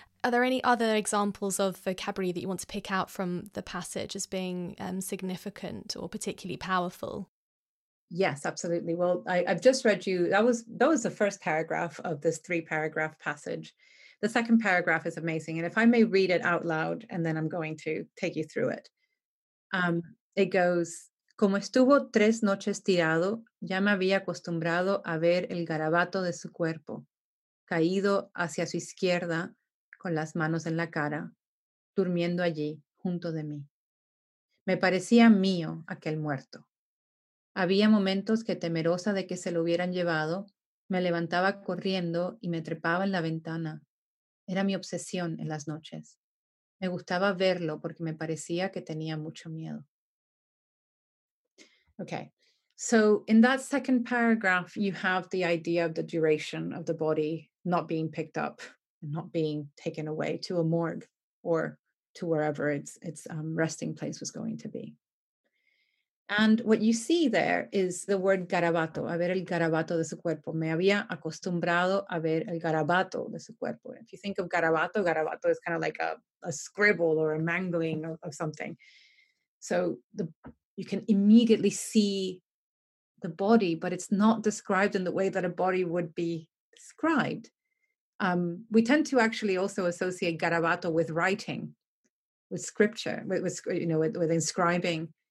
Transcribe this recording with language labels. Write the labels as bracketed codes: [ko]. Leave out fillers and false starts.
[en] Are there any other examples of vocabulary that you want to pick out from the passage as being significant or particularly powerful? Yes, absolutely. Well, I've just read you, that was the first paragraph of this three paragraph passage. The second paragraph is amazing. And if I may read it out loud, and then I'm going to take you through it. It goes, [es] como estuvo tres noches tirado, ya me había acostumbrado a ver el garabato de su cuerpo, caído hacia su izquierda, con las manos en la cara, durmiendo allí, junto de mí. Me parecía mío aquel muerto. Había momentos que, temerosa de que se lo hubieran llevado, me levantaba corriendo y me trepaba en la ventana. Era mi obsesión en las noches. Me gustaba verlo porque me parecía que tenía mucho miedo. [en] Okay, so in that second paragraph, you have the idea of the duration of the body not being picked up, not being taken away to a morgue or to wherever its resting place was going to be. And what you see there is the word garabato, [es] a ver el garabato de su cuerpo. Me había acostumbrado a ver el garabato de su cuerpo. [en] If you think of garabato, garabato is kind of like a scribble or a mangling of something. So you can immediately see the body, but it's not described in the way that a body would be described. We tend to actually also associate garabato with writing, with scripture, with inscribing.